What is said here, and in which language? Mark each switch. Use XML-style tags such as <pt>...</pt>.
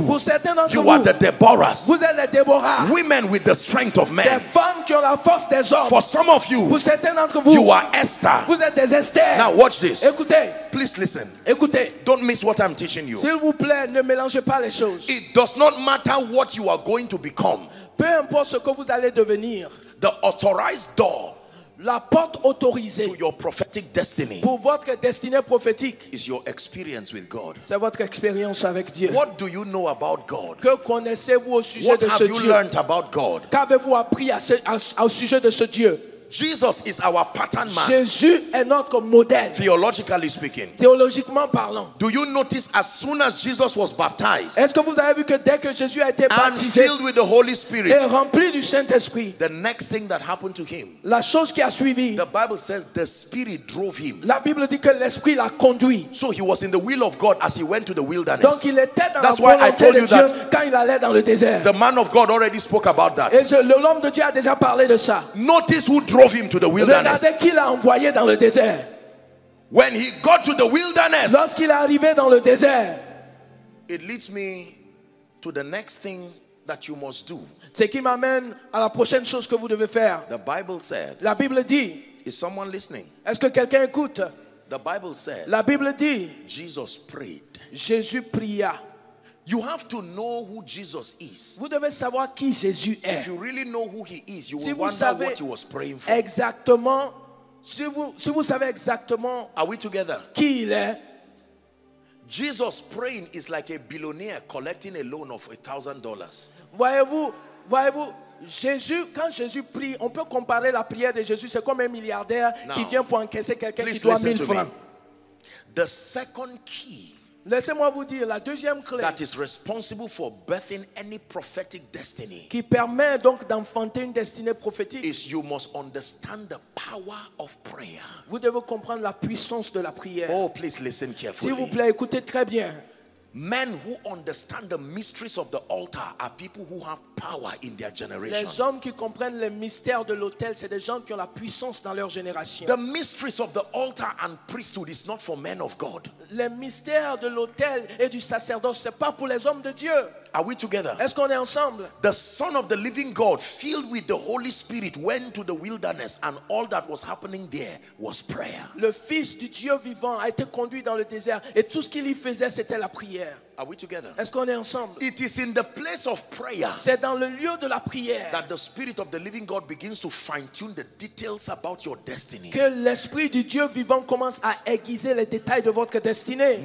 <fr>pour certains d'entre</fr> <en>you</en> <fr>vous,</fr> <en>are the Deborahs.</en> <fr>Vous êtes les Deborahs.</fr> <en>Women with the strength of men.</en> <fr>Des femmes qui ont la force des hommes.</fr> <en>For some of you,</en> <fr>pour certains d'entre vous,</fr> <en>you are Esther.</en> <fr>Vous êtes des Esther.</fr> <en>Now watch this.</en> <fr>Écoutez,</fr> <en>please listen.</en> <fr>Écoutez,</fr> <en>don't miss what I'm teaching you.</en> <fr>S'il vous plaît, ne mélangez pas les choses.</fr> <en>It does not matter what you are going to become.</en> <fr>Peu importe ce que vous allez devenir.</fr> <en>The authorized door,</en> <fr>la porte autorisée,</fr> <en>to your prophetic destiny,</en> <fr>pour votre destinée prophétique,</fr> <en>is your experience with God.</en> <fr>C'est votre expérience avec Dieu.</fr> <en>What do you know about God?</en> <fr>Que connaissez-vous au sujet</fr> <en>what</en> <fr>de ce Dieu?</fr> <en>What have you learned about God?</en> <fr>Qu'avez-vous appris au sujet de ce Dieu?</fr> <en>Jesus is our pattern man.</en> <fr>Jésus est notre modèle.</fr> <en>Theologically speaking.</en> <fr>Théologiquement parlant.</fr> <en>Do you notice as soon as Jesus was baptized?</en> <fr>Est-ce que vous avez vu que dès que Jésus a été baptisé</fr> <en>and filled with the Holy Spirit,</en> <fr>et rempli du Saint-Esprit,</fr> <en>the next thing that happened to him,</en> <fr>la chose qui a suivi,</fr> <en>the Bible says the Spirit drove him.</en> <fr>La Bible dit que l'Esprit l'a conduit.</fr> <en>So he was in the will of God as he went to the wilderness.</en> <fr>Donc il était dans</fr> <en>that's</en> <fr>la volonté</fr> <en>why I told</en> <fr>de</fr> <en>you</en> <fr>Dieu</fr> <en>that</en> <fr>quand il allait dans le désert.</fr> <en>The man of God already spoke about that.</en> <fr>Et l'homme de Dieu a déjà parlé de ça.</fr> <en>Notice who drove him to the wilderness.</en> <fr>Regardez qui l'a envoyé dans le désert.</fr> <en>When he got to the wilderness,</en> <fr>lorsqu'il est arrivé dans le désert,</fr> <en>it leads me to the next thing that you must do.</en> <fr>C'est qui m'amène à la prochaine chose que vous devez faire.</fr> <en>The Bible said,</en> <fr>la Bible dit,</fr> <en>is someone listening?</en> <fr>Est-ce que quelqu'un écoute?</fr> <en>The Bible said,</en> <fr>la Bible dit,</fr> <en>Jesus prayed.</en> <fr>Jésus pria.</fr> <en>You have to know who Jesus is.</en> <fr>Vous devez savoir qui Jésus est.</fr> <en>If you really know who he is, you</en> <fr>si</fr> <en>will wonder what he was praying for.</en> <fr>Exactement. Si vous savez exactement,</fr> <en>are we together?</en> <fr>Qui il est?</fr> <en>Jesus praying is like a billionaire collecting a loan of $1,000.</en> <fr>Voyez-vous, Voyez-vous, Jésus, quand Jésus prie, on peut comparer la prière de Jésus, c'est comme un milliardaire qui vient pour encaisser quelqu'un qui doit 1000 francs.</fr> <en>The second key.</en> <fr>Laissez-moi vous dire la deuxième clé.</fr> <en>That is responsible for birthing any prophetic destiny.</en> <fr>Qui permet donc d'enfanter une destinée prophétique.</fr> <en>Is you must understand the power of prayer.</en> <fr>Vous devez comprendre la puissance de la prière.</fr> <en>Oh, please listen carefully.</en> <fr>S'il vous plaît, écoutez très bien.</fr> <en>Men who understand the mysteries of the altar are people who have power in their generation.</en> <fr>Les hommes qui comprennent les mystères de l'autel, c'est des gens qui ont la puissance dans leur génération.</fr> <en>The mysteries of the altar and priesthood is not for men of God.</en> <fr>Les mystères de l'autel et du sacerdoce, c'est pas pour les hommes de Dieu.</fr> <en>Are we together?</en> <fr>Est-ce qu'on est ensemble?</fr> <en>The Son of the Living God, filled with the Holy Spirit, went to the wilderness, and all that was happening there was prayer.</en> <fr>Le Fils du Dieu vivant a été conduit dans le désert, et tout ce qu'il y faisait, c'était la prière.</fr> <en>Are we together?</en> <fr>Est-ce qu'on est ensemble?</fr> <en>It is in the place of prayer.</en> <fr>C'est dans le lieu de la prière</fr> <en>that the Spirit of the Living God begins to fine-tune the details about your destiny.</en> <fr>Que l'Esprit du Dieu vivant commence à aiguiser les détails de votre destinée.</fr>